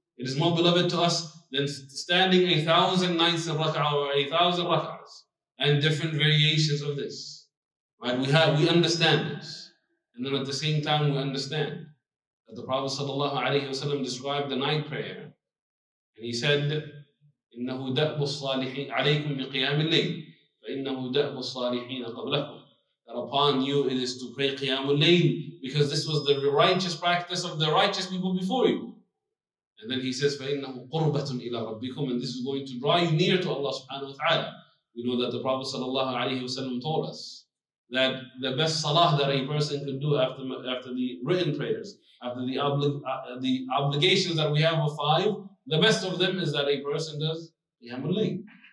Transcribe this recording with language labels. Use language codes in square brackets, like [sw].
[en] It is more beloved to us than standing 1,000 nights of raka'ah or 1,000 raka'ahs and different variations of this. Right? We understand this. And then at the same time, we understand that the Prophet sallallahu alayhi wa sallam described the night prayer. And he said, [ar] إِنَّهُ دَأْبُ الصَّالِحِينَ عَلَيْكُمْ بِقِيَامِ اللَّيْلِ فَإِنَّهُ دَأْبُ الصَّالِحِينَ قَبْلَكُمْ. [en] That upon you it is to pray قِيَامُ اللَّيْلِ because this was the righteous practice of the righteous people before you. And then he says, [ar] فَإِنَّهُ قُرْبَةٌ إِلَى رَبِّكُمْ. [en] And this is going to draw you near to Allah subhanahu wa ta'ala. We know that the Prophet sallallahu alayhi wa sallam told us that the best salah that a person could do after the written prayers, after the obligations that we have of five, the best of them is that a person does Qiyamul Layl.